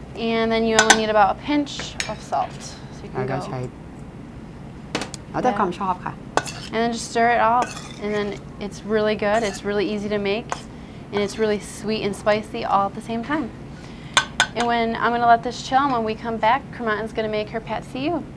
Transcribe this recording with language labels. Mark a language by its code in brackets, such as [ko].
[en] And then you only need about a pinch of salt. [th] แล้วก็ใช้แล้วแต่ความชอบค่ะ [en] And then just stir it all. And then it's really good. It's really easy to make. And it's really sweet and spicy all at the same time. And when I'm going to let this chill, and when we come back, Kruamat is going to make her pat see you.